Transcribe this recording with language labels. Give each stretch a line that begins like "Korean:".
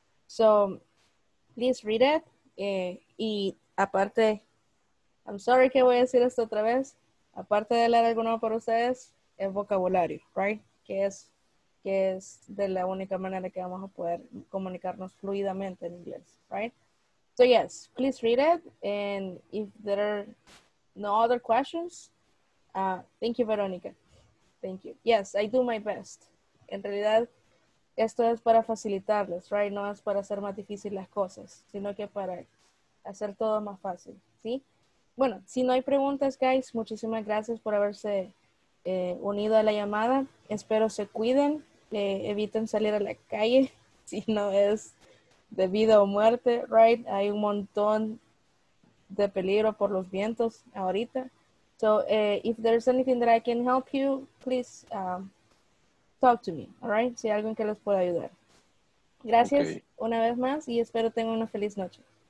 English: So, please read it.
Spanish: Y aparte,
English: I'm sorry
Spanish: que voy a decir esto otra vez. Aparte de leer alguno para ustedes, el vocabulario, right? Que es de la única manera que vamos a poder comunicarnos fluidamente en inglés, right?
English: So yes, please read it, and if there are no other questions, thank you, Veronica. Thank you. Yes, I do my best.
Spanish: En realidad, esto es para facilitarles,
English: right?
Spanish: No es para hacer más difícil las cosas, sino que para hacer todo más fácil, ¿sí? Bueno, si no hay preguntas, guys, muchísimas gracias por haberse unido a la llamada. Espero se cuiden, eviten salir a la calle si no es de vida o muerte, right? Hay un montón de peligro por los vientos ahorita.
English: So, if there's anything that I can help you, please talk to me, all right?
Spanish: Si hay algo en que les pueda ayudar. Gracias, okay. Una vez más, y espero tengan una feliz noche.